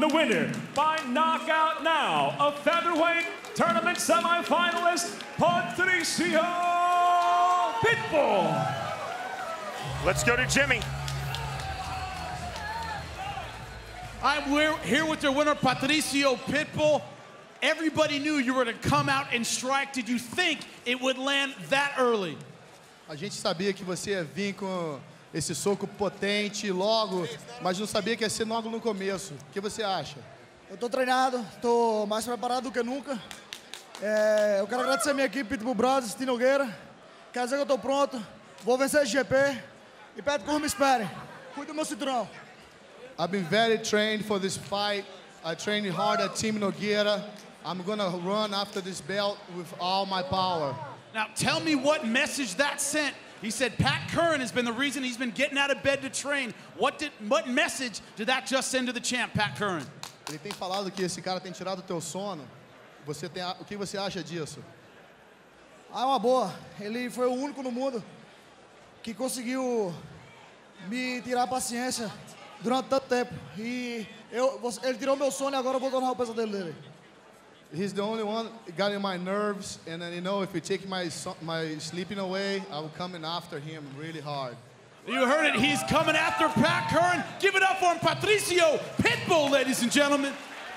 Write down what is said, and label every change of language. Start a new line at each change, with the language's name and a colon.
English: The winner by knockout now, a featherweight tournament semifinalist, Patricio Pitbull. Let's go to Jimmy. I'm here with your winner, Patricio Pitbull. Everybody knew you were to come out and strike. Did you think it would land that early?
Portuguese: A gente sabia que você ia vir com esse soco potente logo, mas não sabia que ia ser logo no começo. O que você acha? Eu tô treinado, tô mais preparado do que nunca. É, eu quero agradecer a minha equipe, Pitbull Brothers, Tino Nogueira. Quer dizer que eu tô pronto, vou vencer esse GP. E Pedro Curro, me espere. Cuide do meu cinturão.
English: I've been very trained for this fight. I trained hard at Team Nogueira. I'm gonna run after this belt with all my power. Now tell me what message that sent. He said Pat Curran has been the reason he's been getting out of bed to train. What message did that just send to the champ, Pat Curran?
Portuguese: Ele tem falado que esse cara tem tirado teu sono. Você tem, o que você acha disso? Ah, uma boa. Ele foi o único no mundo que conseguiu me tirar a paciência durante tanto tempo. E eu, ele tirou meu sono e agora eu vou tornar o pesadelo dele.
English: He's the only one got in my nerves, and then, you know, if you take my sleeping away, I will come in after him really hard. You heard it, he's coming after Pat Curran. Give it up for him, Patricio Pitbull, ladies and gentlemen.